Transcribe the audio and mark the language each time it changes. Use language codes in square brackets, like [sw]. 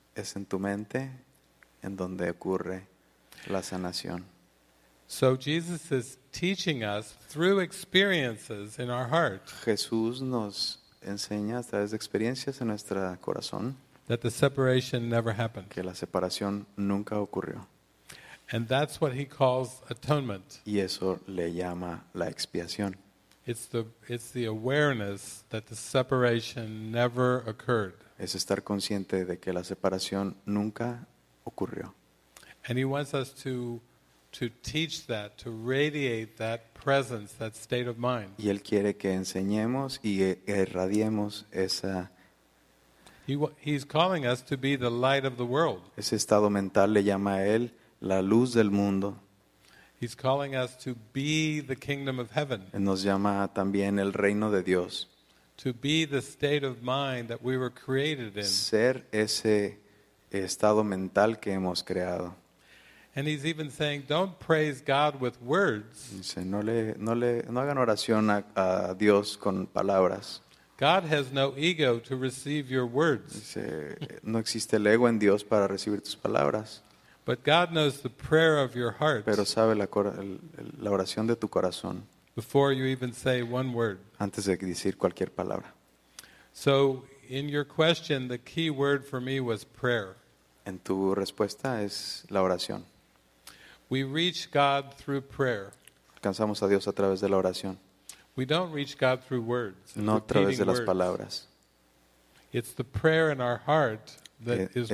[es] Es en tu mente en donde ocurre la sanación. [en] So Jesus is teaching us through experiences in our heart. [es] Jesús nos enseña a través de experiencias en nuestro corazón. [en] That the separation never happened. [es] Que la separación nunca ocurrió. [en] And that's what he calls atonement. [es] Y eso le llama la expiación. [en] It's the awareness that the separation never occurred. [es] Es estar consciente de que la separación nunca ocurrió. [en] And he wants us to teach that, to radiate that presence, that state of mind. [es] Y él quiere que enseñemos y irradiemos esa. [en] He's calling us to be the light of the world. [es] Ese estado mental le llama a él la luz del mundo. [en] He's calling us to be the kingdom of heaven. [es] Él nos llama también el reino de Dios. [en] To be the state of mind that we were created in. [es] Ser ese estado mental que hemos creado. [en] And he's even saying, don't praise God with words. [es] Dice, no hagan oración a Dios con palabras. [en] God has no ego to receive your words. [es] Dice, no existe el ego en Dios para recibir tus palabras. [en] But God knows the prayer of your heart. [es] Pero sabe la oración de tu corazón. [en] Before you even say one word. [es] Antes de decir cualquier palabra. [en] So in your question, the key word for me was prayer. [es] En tu respuesta es la oración. [en] We reach God through prayer. [es] Alcanzamos a Dios a través de la oración. [en] We don't reach God through words. [es] No a través de las palabras. [en] It's the prayer in our heart that is what frees